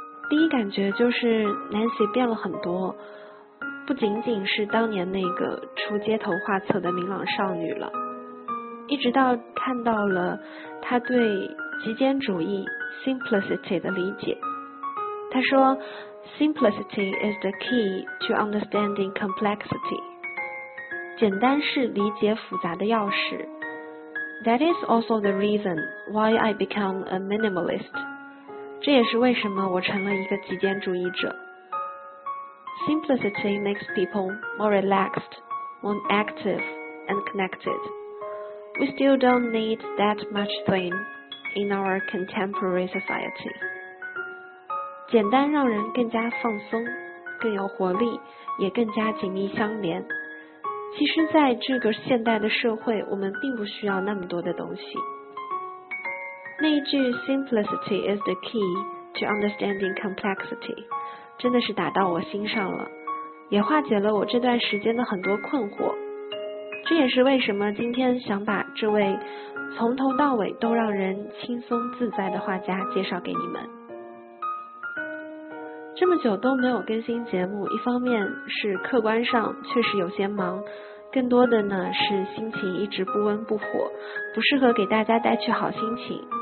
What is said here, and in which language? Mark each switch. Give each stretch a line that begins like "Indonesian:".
Chinese: 第一感觉就是 Nancy 变了很多，不仅仅是当年那个出街头画册的明朗少女了。一直到看到了她对极简主义 simplicity 的理解，她说
English: simplicity is the key to understanding complexity，
Chinese: 简单是理解复杂的钥匙。
English: That is also the reason why I become a minimalist，
Chinese: 这也是为什么我成了一个极简主义者。
English: Simplicity makes people more relaxed, more active, and connected. We still don't need that much thing in our contemporary society.
Chinese: 简单让人更加放松，更有活力，也更加紧密相连。其实在这个现代的社会，我们并不需要那么多的东西。那一句
English: Simplicity is the key to understanding complexity.
Chinese: 真的是打到我心上了，也化解了我这段时间的很多困惑。这也是为什么今天想把这位从头到尾都让人轻松自在的画家介绍给你们。这么久都没有更新节目，一方面是客观上确实有些忙，更多的呢是心情一直不温不火，不适合给大家带去好心情。